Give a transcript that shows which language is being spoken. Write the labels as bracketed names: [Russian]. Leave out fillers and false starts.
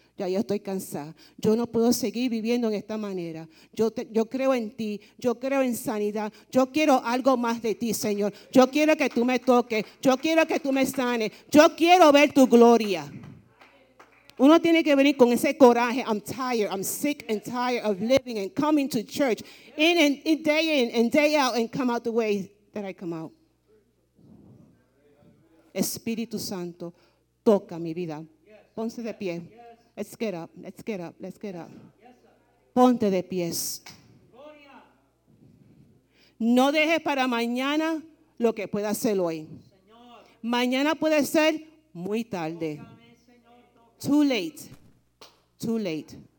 [Spanish] Ya estoy cansada. Yo no puedo seguir viviendo en esta manera. Yo creo en ti. Yo creo en sanidad. Yo quiero algo más de ti, Señor. Yo quiero que tú me toques. Yo quiero que tú me sanes. Yo quiero ver tu gloria. Uno tiene que venir con ese coraje. [English] I'm tired. I'm sick and tired of living and coming to church. In day in and day out and come out the way that I come out. [Spanish] Espíritu Santo, toca mi vida. Ponse de pie. [English] Let's get up, let's get up, let's get up. [Spanish] Ponte de pies. No dejes para mañana lo que pueda hacer hoy. Mañana puede ser muy tarde. [English] Too late, too late.